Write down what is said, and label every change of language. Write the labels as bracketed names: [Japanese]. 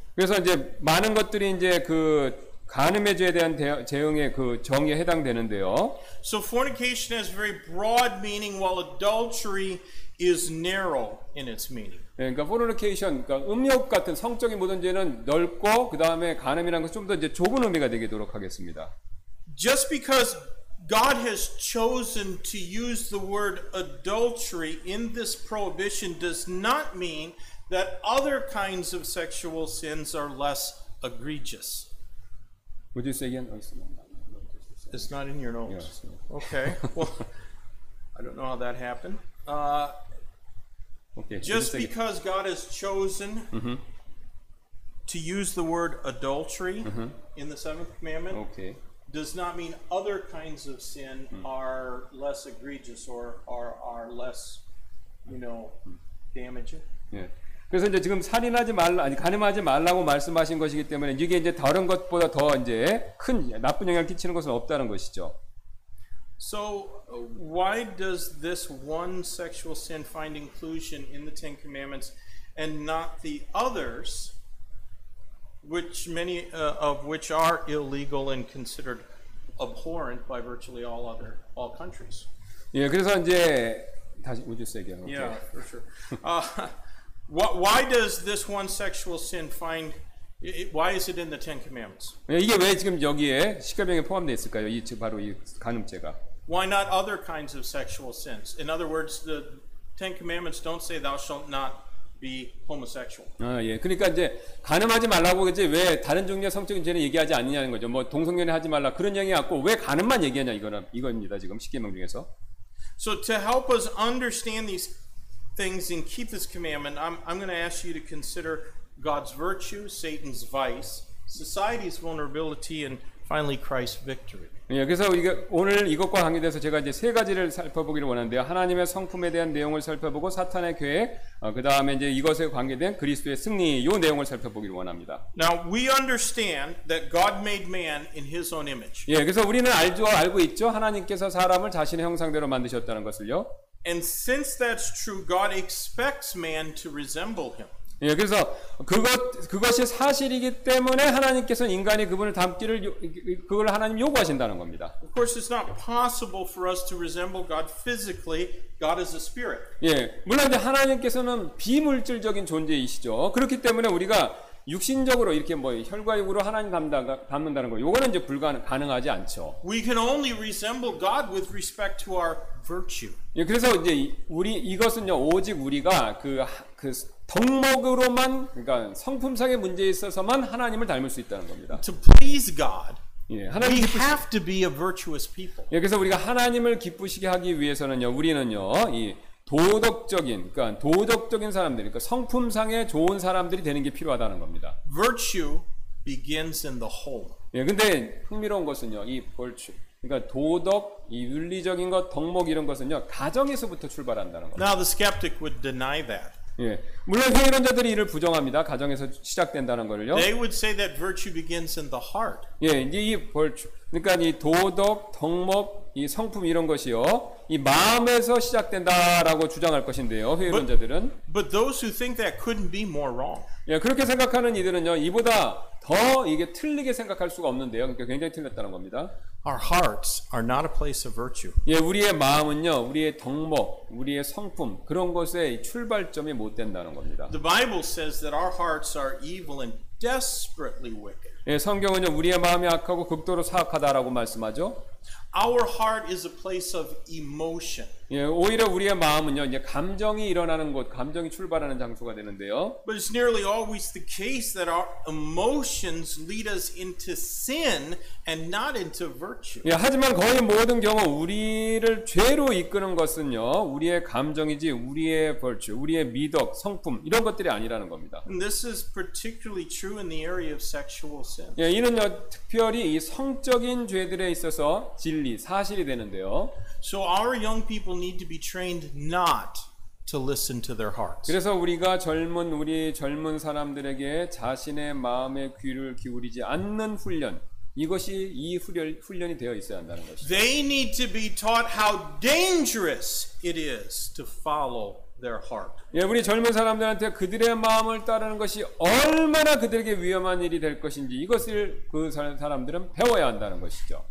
[Korean] 그래서 이제 많은 것들이 이제 그 간음의 죄에 대한 대응의 그 정의에 해당되는데요. [English] So fornication has very broad meaning, while adultery is narrow in its meaning. [Korean] 예, 그러니까 fornication, 그러니까 음욕 같은 성적인 모든 죄는 넓고 그 다음에 간음이라는 것은 좀 더 이제 좁은 의미가 되도록 하겠습니다. [English] Just because God has chosen to use the word adultery in this prohibition does not mean that other kinds of sexual sins are less egregious. Would you say again? It's not in your notes. Yeah, okay. Well, I don't know how that happened. Just because God has chosen to use the word adultery in the seventh commandment. Okay. Does not mean other kinds of sin are less egregious or are less, you know, damaging. [Korean] 예. 그래서 이제 지금 살인하지 말라 아니 간음하지 말라고 말씀하신 것이기 때문에 이게 이제 다른 것보다 더 이제 큰 나쁜 영향을 끼치는 것은 없다는 것이죠. [English] So why does this one sexual sin find inclusion in the Ten Commandments and not the others? Which many of which are illegal and considered abhorrent by virtually all countries. [Korean] Yeah, 그래서 이제 다시 우주 세계. [English] Okay. Yeah, for sure. why does this one sexual sin find? Why is it in the Ten Commandments? [Korean] 이게 왜 지금 여기에 십계명에 포함돼 있을까요? 이 바로 이 간음죄가. [English] Why not other kinds of sexual sins? In other words, the Ten Commandments don't say thou shalt not. Be homosexual. [Korean] 아 예, 그러니까 이제 간음하지 말라고 이제 왜 다른 종류의 성적인 죄는 얘기하지 않느냐는 거죠. 뭐 동성연애 하지 말라 그런 얘기 갖고 왜 간음만 얘기하냐 이거는 이겁니다 지금 십계명 중에서. [English] So to help us understand these things and keep this commandment, I'm going to ask you to consider God's virtue, Satan's vice, society's vulnerability, and finally Christ's victory. [Korean] 예, 그래서 이게 오늘 이것과 관계돼서 제가 이제 세 가지를 살펴보기를 원하는데요. 하나님의 성품에 대한 내용을 살펴보고 사탄의 계획, 그 다음에 이제 이것에 관계된 그리스도의 승리, 이 내용을 살펴보기를 원합니다. [English] Now we understand that God made man in His own image. [Korean] 예, 그래서 우리는 알고 있죠. 하나님께서 사람을 자신의 형상대로 만드셨다는 것을요. [English] And since that's true, God expects man to resemble Him. [Korean] 예, 그래서 그것이 사실이기 때문에 하나님께서는 인간이 그분을 닮기를 그걸 하나님 요구하신다는 겁니다. [English] Of course, it's not possible for us to resemble God physically. God is a spirit. [Korean] 예, 물론 이제 하나님께서는 비물질적인 존재이시죠. 그렇기 때문에 우리가 육신적으로 이렇게 뭐 혈과육으로 하나님 닮는다는 거, 요거는 이제 가능하지 않죠. [English] We can only resemble God with respect to our virtue. [Korean] 예, 그래서 이제 이것은요 오직 우리가 그 덕목으로만 그러니까 성품상의 문제에 있어서만 하나님을 닮을 수 있다는 겁니다. [English] To please God, we have to be a virtuous people. [Korean] 예, 그래서 우리가 하나님을 기쁘시게 하기 위해서는요, 우리는요, 이 도덕적인, 그러니까 도덕적인 사람들, 그러니까 성품상의 좋은 사람들이 되는 게 필요하다는 겁니다. [English] Virtue begins in the home. [Korean] 예, 근데 흥미로운 것은요, 이 virtue. 그러니까 도덕, 이 윤리적인 것, 덕목 이런 것은요, 가정에서부터 출발한다는 겁니다. [English] Now the skeptic would deny that. [Korean] 예, 물론 회의론자들이 이를 부정합니다. 가정에서 시작된다는 것을요. [English] They would say that virtue begins in the heart. [Korean] 예, 이제 이 virtue, 그러니까 이 도덕, 덕목, 이 성품 이런 것이요, 이 마음에서 시작된다라고 주장할 것인데요, 회의론자들은. [English] But those who think that couldn't be more wrong. [Korean] 예, 그렇게 생각하는 이들은요, 이보다 더 이게 틀리게 생각할 수가 없는데요. 그러니까 굉장히 틀렸다는 겁니다. [English] Our hearts are not a place of virtue. [Korean] 예, 우리의 마음은요, 우리의 덕목, 우리의 성품 그런 것의 출발점이 못 된다는 겁니다. [English] The Bible says that our hearts are evil and desperately wicked. [Korean] 예, 성경은요, 우리의 마음이 악하고 극도로 사악하다라고 말씀하죠. [English] Our heart is a place of emotion. [Korean] 예, 오히려 우리의 마음은요, 이제 감정이 일어나는 곳, 감정이 출발하는 장소가 되는데요. [English] But it's nearly always the case that our emotions lead us into sin and not into virtue. [Korean] 예, 하지만 거의 모든 경우 우리를 죄로 이끄는 것은요, 우리의 감정이지 우리의 virtue, 우리의 미덕, 성품 이런 것들이 아니라는 겁니다. [English] And this is particularly true in the area of sexual sin. [Korean] 예, 이는요, 특별히 이 성적인 죄들에 있어서 진리, 사실이 되는데요. [English] So our young people need to be trained not to listen to their hearts. [Korean] 그래서 우리 젊은 사람들에게 자신의 마음의 귀를 기울이지 않는 훈련, 이것이 이 훈련이 되어 있어야 한다는 것이죠. [English] They need to be taught how dangerous it is to follow their heart. [Korean] 예, 우리 젊은 사람들한테 그들의 마음을 따르는 것이 얼마나 그들에게 위험한 일이 될 것인지 이것을 그 사람들은 배워야 한다는 것이죠.